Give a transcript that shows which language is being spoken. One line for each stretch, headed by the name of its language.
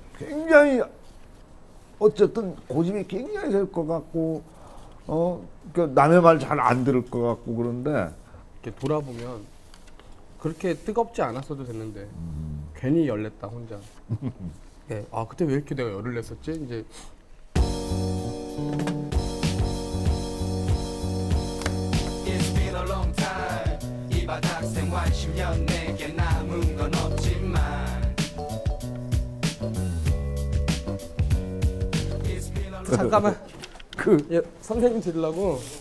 Korean: 예, 굉장히 어쨌든 고집이 굉장히 될 것 같고 그러니까 남의 말 잘 안 들을 것 같고 그런데 이렇게 돌아보면 그렇게 뜨겁지 않았어도 됐는데 괜히 열 냈다 혼자. 네. 아 그때 왜 이렇게 내가 열을 냈었지? 이제
English: It's been a long time.
Korean: 이 바닥 생활 10년 내게 남은 건 없지만 잠깐만 선생님 들으려고